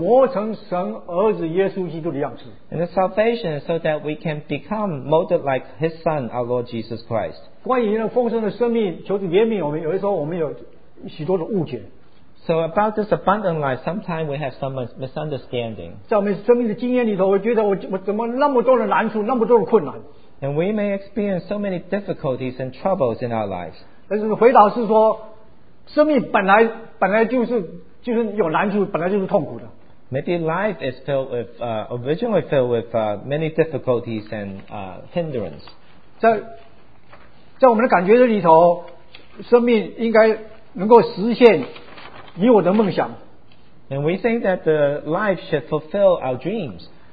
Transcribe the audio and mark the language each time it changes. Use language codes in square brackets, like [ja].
[zh] 救恩的主要是叫我们能够磨成神儿子耶稣基督的样式。 [en] And the salvation is so that we can become molded like His Son, our Lord Jesus Christ. [zh] 关于丰盛的生命, 求主怜悯我们, 有的时候我们有许多的误解。 [en] So So about this abundant life, sometimes we have some misunderstanding. [zh] 在我们生命的经验里头，我觉得我怎么那么多的难处，那么多的困难。 [en] And we may experience so many difficulties and troubles in our lives. [zh] 但是回答是说，生命本来就是有难处，本来就是痛苦的。 [en] Maybe life is filled with, originally filled with many difficulties and hindrance. [zh] 在我们的感觉里头，生命应该能够实现你我的梦想。 [en] And we think that the life should fulfill our dreams.